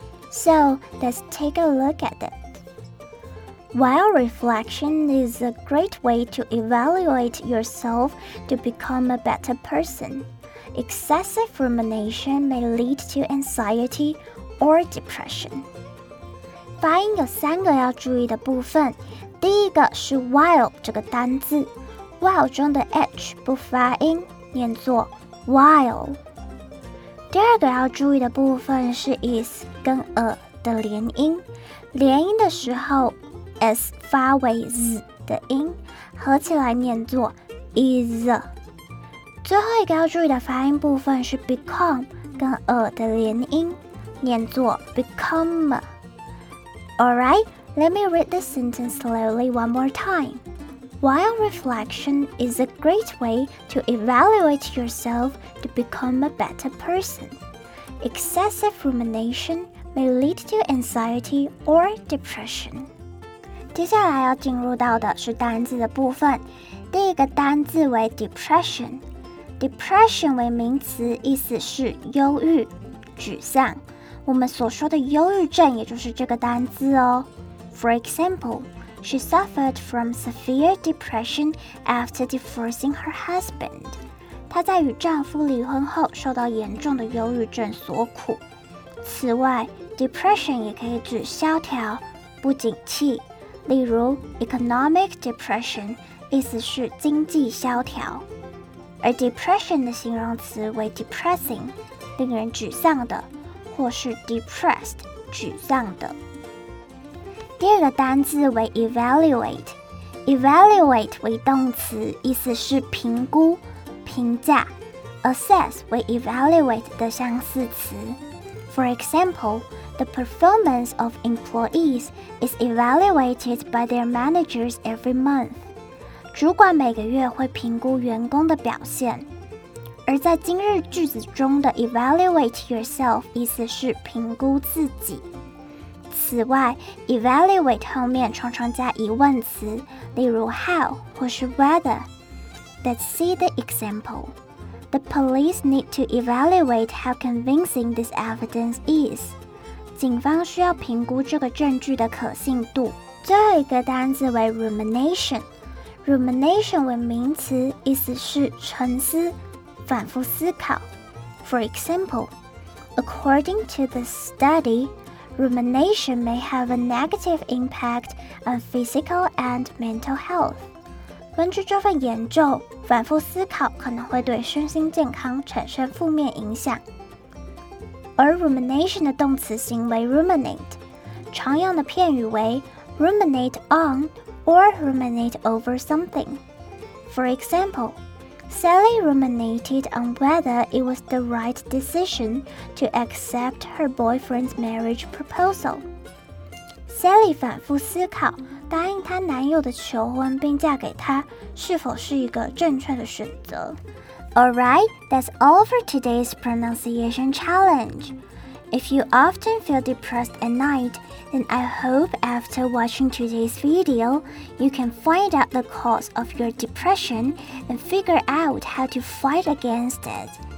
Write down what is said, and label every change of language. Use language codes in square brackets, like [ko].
[en] So, let's take a look at it. While reflection is a great way to evaluate yourself to become a better person, excessive rumination may lead to anxiety or depression. [zh] 发音有三个要注意的部分，第一个是 while 这个单字 ，while 中的 h 不发音，念作 while。第二个要注意的部分是 is 跟 a 的连音，连音的时候。 S 发为 Z 的音，合起来念作 is。最后一个要注意的发音部分是 become 跟 a 的连音，念作 become。 [en] Alright, let me read the sentence slowly one more time. While reflection is a great way to evaluate yourself to become a better person, excessive rumination may lead to anxiety or depression. [zh] 接下来要进入到的是单字的部分。第一个单字为 depression。 depression 为名词，意思是忧郁、沮丧。我们所说的忧郁症也就是这个单字哦。 [en] For example, she suffered from severe depression after divorcing her husband. [zh] 她在与丈夫离婚后受到严重的忧郁症所苦。此外， depression 也可以指萧条、不景气。例如 [en] economic depression [zh] 意思是经济萧条，而 depression 的形容词为 depressing 令人沮丧的，或是 depressed 沮丧的。第二个单字为 evaluate， evaluate 为动词，意思是评估、评价。 assess 为 evaluate 的相似词。 [en] For example,The performance of employees is evaluated by their managers every month. [zh] 主管每个月会评估员工的表现。而在今日句子中的 [en] evaluate yourself [zh] 意思是评估自己。此外， evaluate 后面常常加疑问词，例如 how 或是 whether. [en] Let's see the example. The police need to evaluate how convincing this evidence is. [zh] 警方需要评估这个证据的可信度。最后一个单字为 rumination。 rumination 为名词，意思是沉思、反复思考。 [en] For example, according to the study, rumination may have a negative impact on physical and mental health. [zh] 根据这份研究，反复思考可能会对身心健康产生负面影响。而 rumination 的动词形为 ruminate， 常用的片语为 [en] ruminate on or ruminate over something。 For example, Sally ruminated on whether it was the right decision to accept her boyfriend's marriage proposal. [zh] Sally 反复思考答应她男友的求婚并嫁给他是否是一个正确的选择。 [en] Alright, that's all for today's pronunciation challenge. If you often feel depressed at night, then I hope after watching today's video, you can find out the cause of your depression and figure out how to fight against it.